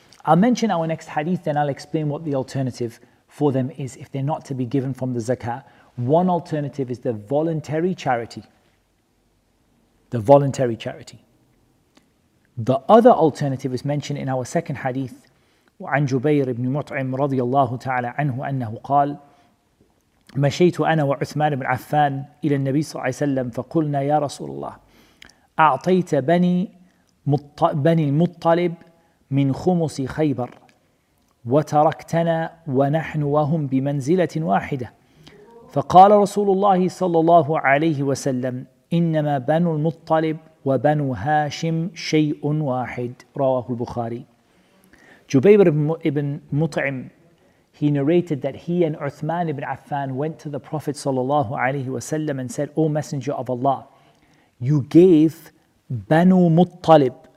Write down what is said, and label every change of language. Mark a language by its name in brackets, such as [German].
[English] I'll mention our next hadith, then I'll explain what the alternative for them is if they're not to be given from the zakah. One alternative is the voluntary charity. The voluntary charity. The other alternative is mentioned in our second hadith. [Arabic] عن جبير بن مطعم رضي الله تعالى عنه أنه قال مشيت أنا وعثمان بن عفان إلى النبي صلى الله عليه وسلم فقلنا يا رسول الله أعطيت بني المطلب من خمص خيبر وتركتنا ونحن وهم بمنزلة واحدة فقال رسول الله صلى الله عليه وسلم إنما بنو المطلب وبنو هاشم شيء واحد رواه البخاري. [English] جبير بن مطعم, he narrated that he and Uthman ibn Affan went to the Prophet sallallahu alayhi wasallam and said, O Messenger of Allah, you gave Banu Muttalib.